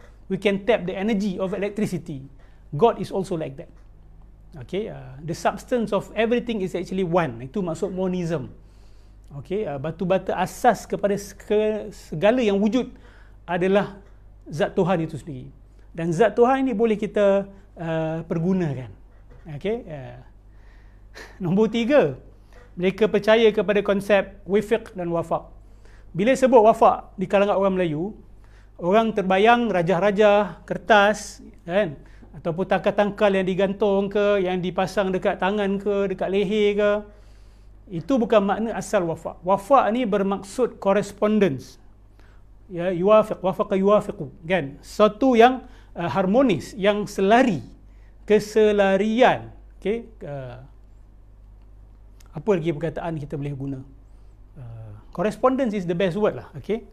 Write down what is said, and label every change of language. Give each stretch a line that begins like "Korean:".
English: We can tap the energy of electricity. God is also like that. Okay, the substance of everything is actually one.
Malay: Itu maksud monism. Okay, batu-bata asas kepada segala yang wujud adalah zat Tuhan itu sendiri. Dan zat Tuhan ini boleh kita pergunakan. Okay. Nombor tiga, mereka percaya kepada konsep wifiq dan wafaq. Bila sebut wafaq di kalangan orang Melayu, orang terbayang raja-raja, kertas, kan? Ataupun tangkal-tangkal yang digantung ke, yang dipasang dekat tangan ke, dekat leher ke. Itu bukan makna asal wafaq. Wafaq ni bermaksud correspondence. Ya, yuafiq, wafaqa yuafiqu, kan? Satu yang harmonis, yang selari, keselarian. Okay? Apa lagi perkataan kita boleh guna?
English: Correspondence is the best word lah, okay?